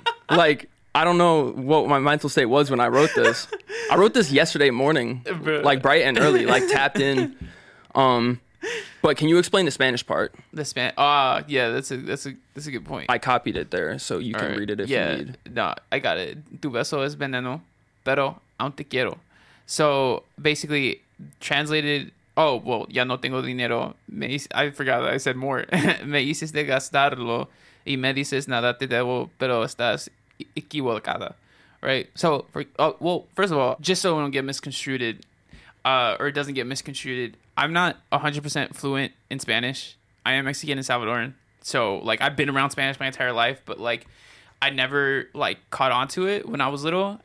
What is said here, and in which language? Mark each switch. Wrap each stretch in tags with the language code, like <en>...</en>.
<en>Like, I don't know what my mental state was when I wrote this. I wrote this yesterday morning, like bright and early, like tapped in. But can you explain the Spanish part? That's a good point. I copied it there, so you all can right. read it if yeah, you need. No, I got it.</en> <es>Tu beso es veneno, pero aún te quiero.</es> <en>So basically translated, oh, well,</en> <es>ya no tengo dinero.</es> <en>I forgot that I said more.</en> <es>Me hiciste de gastarlo y me dices nada te debo, pero estás equivocada.</es> <en>Right? So, first of all, just so we don't get misconstrued, or it doesn't get misconstrued, I'm not 100% fluent in Spanish. I am Mexican and Salvadoran. So, like, I've been around Spanish my entire life, but, like, I never, like, caught on to it when I was little.</en>